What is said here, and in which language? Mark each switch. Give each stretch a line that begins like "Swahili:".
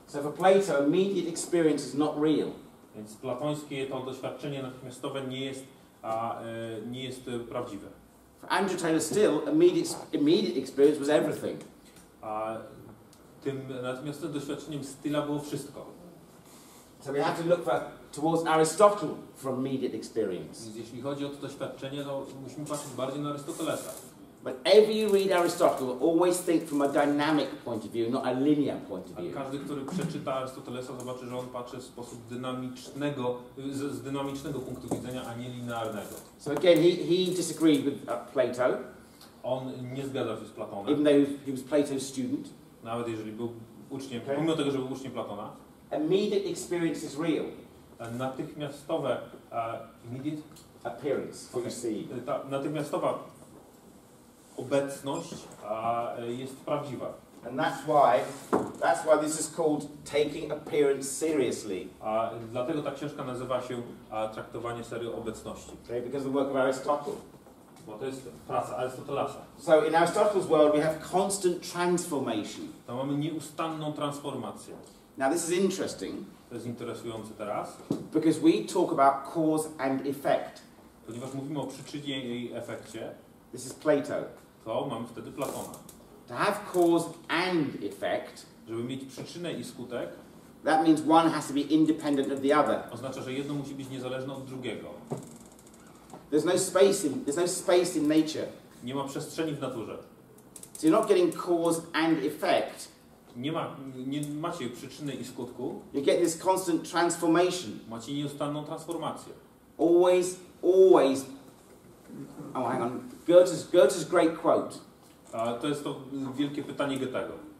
English: So for Plato, immediate experience is not real.
Polish: Więc platońskie to doświadczenie natychmiastowe nie jest nie jest prawdziwe.
English: For Andrew Taylor Still, immediate experience was everything.
Polish: A tym natomiastowym doświadczeniem Stilla było wszystko.
English: So we have to look for towards Aristotle for immediate experience.
Polish: Więc jeśli chodzi o to doświadczenie, to musimy patrzeć bardziej na Arystotelesa.
English: But if you read Aristotle, always think from a dynamic point of view, not a linear point of view.
Polish: Każdy, który przeczyta Arystotelesa, zobaczy, że on patrzy w sposób dynamicznego, z dynamicznego punktu widzenia, a nie linearnego.
English: So again, he disagreed with Plato.
Polish: On nie zgadzał się z Platonem.
English: Even though he was Plato's student.
Polish: Nawet jeżeli był uczniem, okay. Pomimo tego, że był uczniem Platona.
English: Immediate experience is real.
Polish: Natychmiastowe immediate
English: appearance, what you see.
Polish: Natychmiastowa obecność jest prawdziwa.
English: And that's why this is called taking appearance seriously.
Polish: A dlatego ta książka nazywa się traktowanie serio obecności.
English: Okay, because the work of Aristotle.
Polish: Bo to jest praca Arystotelesa.
English: So in Aristotle's world we have constant transformation.
Polish: To mamy nieustanną transformację.
English: Now this is interesting.
Polish: To jest interesujące teraz.
English: Because we talk about cause and effect.
Polish: Ponieważ mówimy o przyczynie i efekcie.
English: This is Plato.
Polish: To mamy wtedy Platona.
English: To have cause and effect.
Polish: Żeby mieć przyczynę i skutek.
English: That means one has to be independent of the other.
Polish: Oznacza, że jedno musi być niezależne od drugiego.
English: There's no space in nature.
Polish: Nie ma przestrzeni w naturze.
English: So you're not getting cause and effect.
Polish: Nie macie przyczyny i skutku.
English: You get this constant transformation.
Polish: Macie nieustanną transformację.
English: Always. Oh, hang on. Goethe's great quote.
Polish: To jest to wielkie pytanie Goethego.